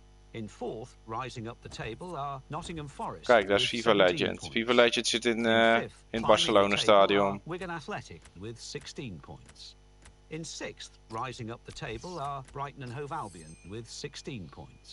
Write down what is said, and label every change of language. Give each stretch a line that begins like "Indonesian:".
English: In fourth, rising up the table are Nottingham Forest.
Dutch: Kijk, dat is FIFA Legend. FIFA Legend zit in het Barcelona stadion.
English: Wigan Athletic with 16 points. In sixth, rising up the table are Brighton and Hove Albion with 16 points.